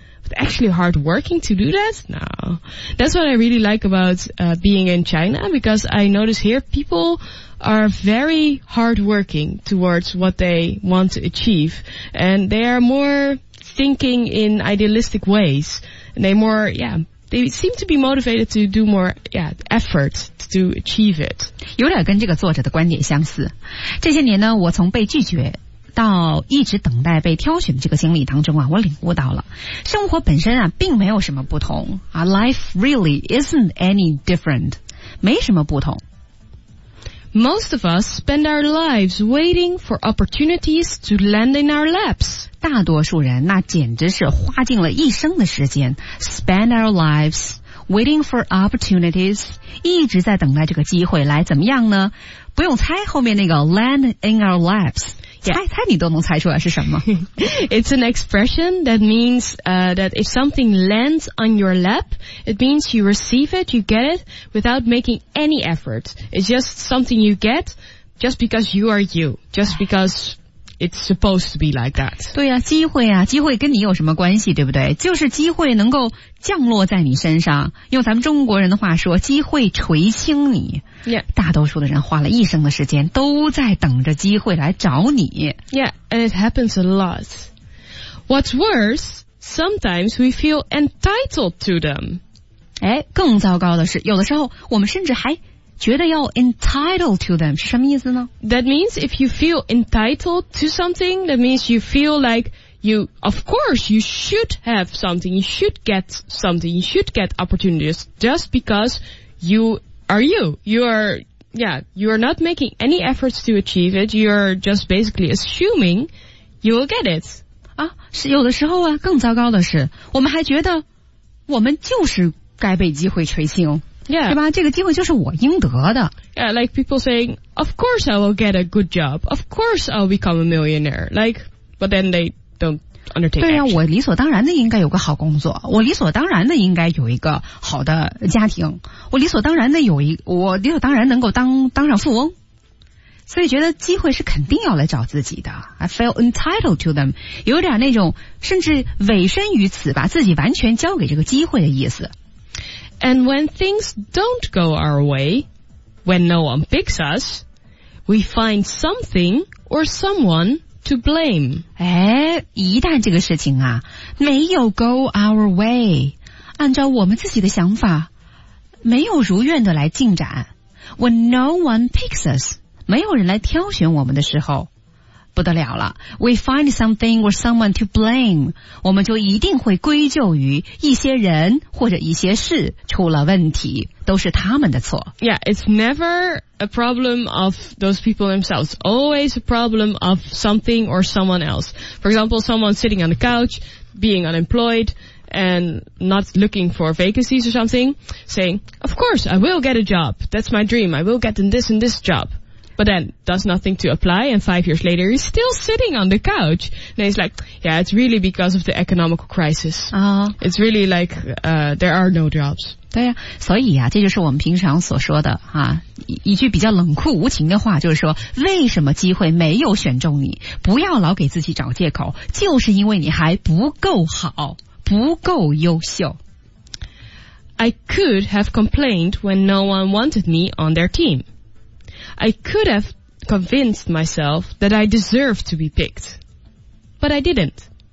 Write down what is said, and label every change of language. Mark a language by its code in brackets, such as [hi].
[en] But actually hard working to do that? No. That's what I really like about being in China, because I notice here people are very hard working towards what they want to achieve. And they are more thinking in idealistic ways. And they more, yeah, they seem to be motivated to do more, yeah, effort to achieve it. [zh] 有点跟这个作者的观点相似。这些年呢，我从被拒绝到一直等待被挑选的这个经历当中啊，我领悟到了生活本身啊并没有什么不同啊。 [en] Life really isn't any different. [zh] 没什么不同。 [en] Most of us spend our lives waiting for opportunities to land in our laps. [zh] 大多数人那简直是花尽了一生的时间 [en] spend our lives waiting for opportunities, [zh] 一直在等待这个机会来怎么样呢？不用猜后面那个 [en] land in our laps。 Yeah. [zh] 猜你都能猜出来是什么。 [en] It's an expression that means, that if something lands on your lap, it means you receive it, you get it, without making any effort. It's just something you get, just because you are you, just because it's supposed to be like that. [zh] 对啊，机会啊，机会跟你有什么关系，对不对？就是机会能够降落在你身上。用咱们中国人的话说，机会垂青你。 [en] Yeah. [zh] 大多数的人花了一生的时间都在等着机会来找你。 [en] Yeah, and it happens a lot. What's worse, sometimes we feel entitled to them. [zh] 哎，更糟糕的是，有的时候我们甚至还觉得要 [en] entitled to them [zh] 是什么意思呢？ [en] That means if you feel entitled to something, that means you feel like you, of course, you should have something, you should get something, you should get opportunities just because you are you. You are, yeah, you are not making any efforts to achieve it. You're just basically assuming you will get it. [zh] 啊，是有的时候啊，更糟糕的是，我们还觉得我们就是该被机会垂青。 [en] Yeah. [zh] 是吧？这个机会就是我应得的。 [en] Yeah, like people saying, of course I will get a good job. Of course I'll become a millionaire. Like, but then they don't undertake action. [zh] 对啊，我理所当然的应该有个好工作。我理所当然的应该有一个好的家庭。我理所当然的有一，我理所当然能够当上富翁。所以觉得机会是肯定要来找自己的。 [en] I feel entitled to them. [zh] 有点那种甚至委身于此，把自己完全交给这个机会的意思。 [en] And when things don't go our way, when no one picks us, we find something or someone to blame. [zh] 哎，一旦这个事情啊，没有 [en] go our way, [zh] 按照我们自己的想法，没有如愿的来进展。 [en] When no one picks us, [zh] 没有人来挑选我们的时候，不得了了。 [en] We find something or someone to blame. [zh] 我们就一定会归咎于一些人或者一些事出了问题，都是他们的错。 [en] Yeah, it's never a problem of those people themselves. Always a problem of something or someone else. For example, someone sitting on the couch, being unemployed, and not looking for vacancies or something, saying, of course, I will get a job. That's my dream. I will get this and this job. But then does nothing to apply, and 5 years later he's still sitting on the couch. And he's like, yeah, it's really because of the economical crisis. It's really like, there are no jobs. [zh] 对啊，所以啊，这就是我们平常所说的啊，一句比较冷酷无情的话，就是说，为什么机会没有选中你？不要老给自己找借口，就是因为你还不够好，不够优秀。 [en] I could have complained when no one wanted me on their team. I could have convinced myself that I deserve to be picked, but I didn't.